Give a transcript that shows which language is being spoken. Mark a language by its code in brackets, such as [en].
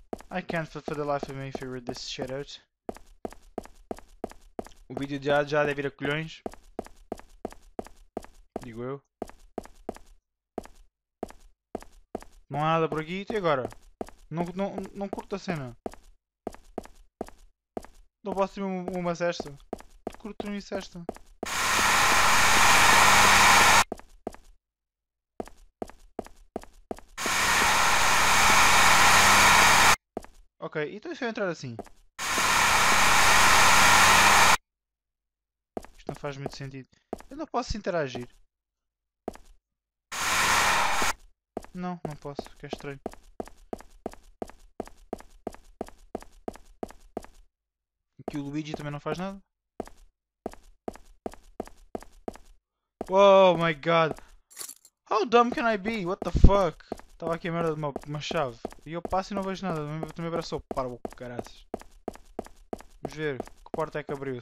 [en] I can't for the life of me figure this shit out. [pt] O vídeo já deve ir a colhões. Digo eu. Não há nada por aqui. E agora? Não curto a cena. Não posso ter uma cesta. Curto uma cesta. Ok, então deixa eu entrar assim. Não faz muito sentido. Eu não posso interagir. Não posso, que é estranho. Aqui o Luigi também não faz nada. [en] Oh my god! How dumb can I be? What the fuck? [pt] Estava aqui a merda de uma chave. E eu passo e não vejo nada. Também abraçou. Para o caraças. Vamos ver que porta é que abriu.